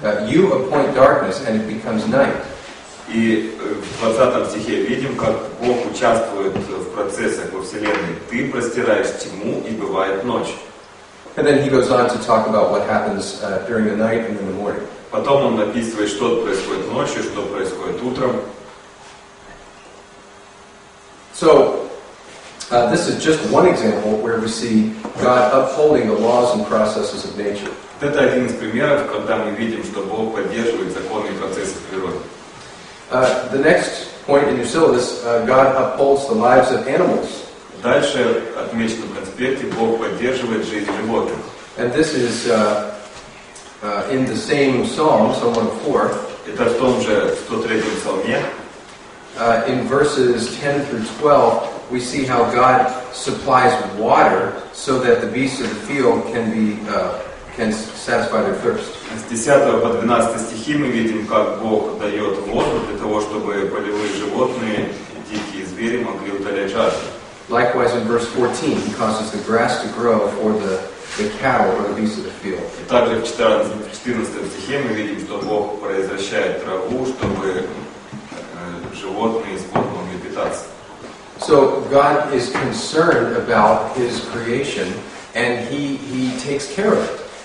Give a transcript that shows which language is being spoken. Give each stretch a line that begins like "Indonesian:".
English: You appoint darkness and it becomes night.
Russian: И в 20 стихе видим, как Бог участвует в процессах во Вселенной. Ты простираешь тьму, и бывает ночь.
English: And then he goes on to talk about what happens during the night and in the morning.
Russian: Потом он описывает, что происходит ночью, что происходит утром.
English: So, this is just one example where we see God upholding the laws and processes of nature.
Russian: Это один из примеров, когда мы видим, что Бог поддерживает законы и процессы природы.
English: The next point in your syllabus, God upholds the lives of animals.
Russian: Дальше отмечено в конспекте, Бог поддерживает жизнь животных.
English: And this is in the same psalm, Psalm 104.
Russian: Это в том же 103-м псалме.
English: In verses 10 through 12, we see how God supplies water so that the beasts of the field can satisfy their thirst.
Russian: С 10 по 12 стихи мы видим, как Бог дает воду для того, чтобы полевые животные, дикие звери могли утолять жажду.
English: Likewise, in verse 14, he causes the grass to grow for the cattle or the beasts of the field.
Russian: И также в 14 стихе мы видим, что Бог произращает траву, чтобы животные и скот могли питаться.
English: So God is concerned about his creation and he takes care of it.